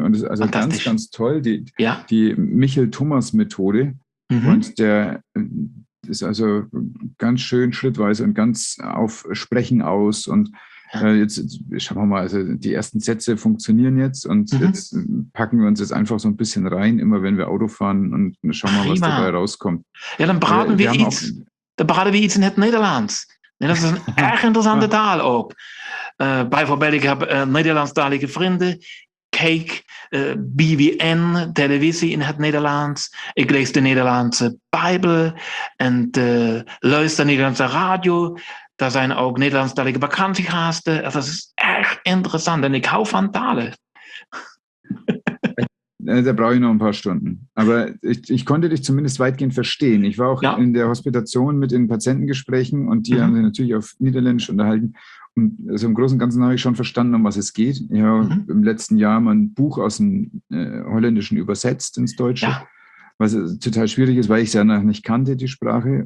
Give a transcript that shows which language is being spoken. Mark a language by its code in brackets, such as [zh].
[de] Und es ist also ganz, ganz toll, die Michel-Thomas-Methode und der ist also ganz schön schrittweise und ganz auf Sprechen aus und jetzt schauen wir mal, also die ersten Sätze funktionieren jetzt und jetzt packen wir uns jetzt einfach so ein bisschen rein, immer wenn wir Auto fahren und schauen mal, was dabei rauskommt. Ja, dann beraten wir [nl] iets in het Nederlands. [de] Das ist ein echt interessanter Teil auch. [nl] Bijvoorbeeld, [de] ich habe [nl] Nederlandstalige [de] Freunde, [nl] Cake, BWN, televisie in het Nederlands. Ik lees de Nederlandse Bijbel en luister Nederlandse radio. Daar zijn ook Nederlandstalige vakantiegasten. Dat is echt interessant en ik hou van talen. [de] Da brauche ich noch ein paar Stunden. Aber ich konnte dich zumindest weitgehend verstehen. Ich war auch in der Hospitation mit den Patientengesprächen und die haben sich natürlich auf Niederländisch unterhalten. Und also im Großen und Ganzen habe ich schon verstanden, um was es geht. Ich habe im letzten Jahr mein Buch aus dem Holländischen übersetzt ins Deutsche, was total schwierig ist, weil ich es ja noch nicht kannte, die Sprache.